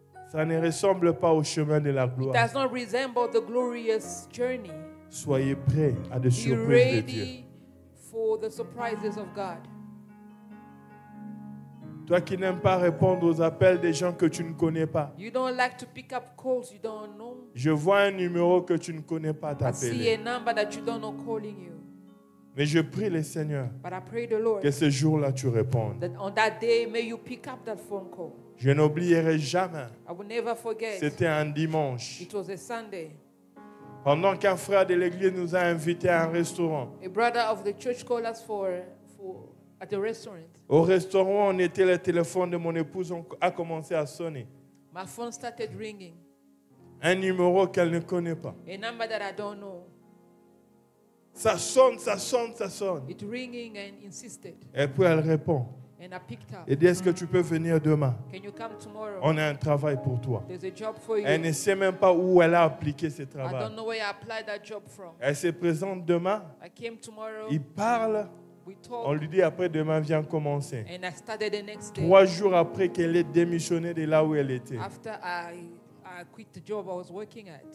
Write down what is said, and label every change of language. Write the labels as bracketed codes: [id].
[fr] Ça ne ressemble pas au chemin de la gloire. [en] It does not resemble the glorious journey. [fr] Soyez prêts à des surprises [en] Be ready [fr] de Dieu. [en] For the surprises of God. [fr] Toi qui n'aimes pas répondre aux appels des gens que tu ne connais pas. [en] You don't like to pick up calls you don't know. [fr] Je vois un numéro que tu ne connais pas t'appeler. [en] I see a number that you don't know calling you. [fr] Mais je prie le Seigneur [en] But I pray the Lord [fr] que ce jour-là tu répondes. [en] That on that day may you pick up that phone call. [fr] Je n'oublierai jamais. [en] I will never forget. [fr] C'était un dimanche. [en] It was a Sunday. [fr] Pendant qu'un frère de l'église nous a invités à un restaurant. [en] A brother of the church called us for at a restaurant. [fr] Au restaurant, on était le téléphone de mon épouse a commencé à sonner. [en] My phone started ringing. [fr] Un numéro qu'elle ne connaît pas. [en] A number that I don't know. [fr] Ça sonne, ça sonne, ça sonne. [en] It ringing and insisted. [fr] Et puis elle répond. [en] And I picked up. [fr] Et dit, est-ce que tu peux venir demain? [en] Can you come tomorrow? [fr] On a un travail pour toi. [en] There's a job for you. [fr] Elle ne sait même pas où elle a appliqué ce travail. [en] I don't know where I applied that job from. [fr] Elle se présente demain. [en] I came tomorrow. [fr] Il parle. [en] We talk. [fr] On lui dit, après demain, viens commencer. [en] And I started the next day. [fr] Trois jours après qu'elle ait démissionné de là où elle était. [en] After I quit the job I was working at.